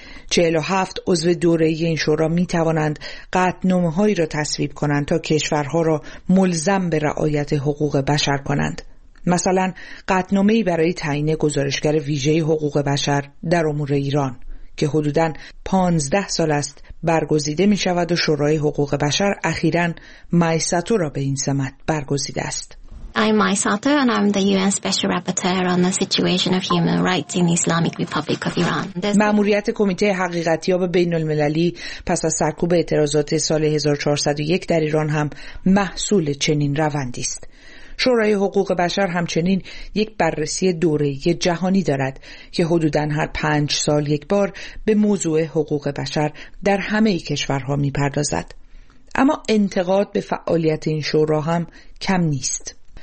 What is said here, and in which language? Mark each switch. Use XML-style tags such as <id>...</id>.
<fa>47 عضو دوره‌ای این شورا می‌توانند قطعنامه‌هایی را تصویب کنند تا کشورها را ملزم به رعایت حقوق بشر کنند. مثلا قطعنامه‌ای برای تعیین گزارشگر ویژه حقوق بشر در امور ایران که حدوداً 15 سال است برگزیده می شود و شورای حقوق بشر اخیراً مایساتو را به این سمت برگزیده است.</fa> <en>I'm Maysato and I'm the UN Special Rapporteur on the situation of human rights in Islamic Republic of Iran.</en> <fa>مأموریت کمیته حقیقت‌یاب بین المللی پس از سرکوب اعتراضات سال 1401 در ایران هم محصول چنین روندی است. شورای حقوق بشر همچنین یک بررسی دوره‌ای جهانی دارد که حدوداً هر 5 سال یک بار به موضوع حقوق بشر در همه کشورها می‌پردازد. اما انتقاد به فعالیت این شورا هم کم نیست.</fa>